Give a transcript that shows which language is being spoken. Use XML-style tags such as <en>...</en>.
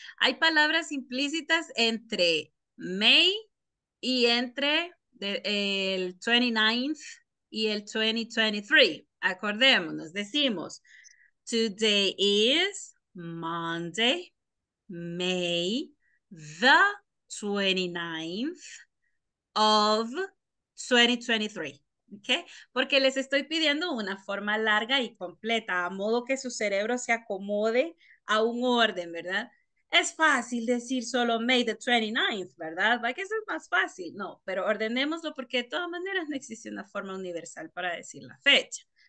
<es>Hay palabras implícitas entre May y entre el 29th y el 2023. Acordémonos, decimos,</es> <en>today is Monday, May the 29th of 2023. ¿Okay?</en> <es>Porque les estoy pidiendo una forma larga y completa, a modo que su cerebro se acomode a un orden, ¿verdad? Es fácil decir solo</es> <en>May the 29th,</en> <es>¿verdad? ¿Va que eso es más fácil? No, pero ordenémoslo porque de todas maneras no existe una forma universal para decir la fecha.</es>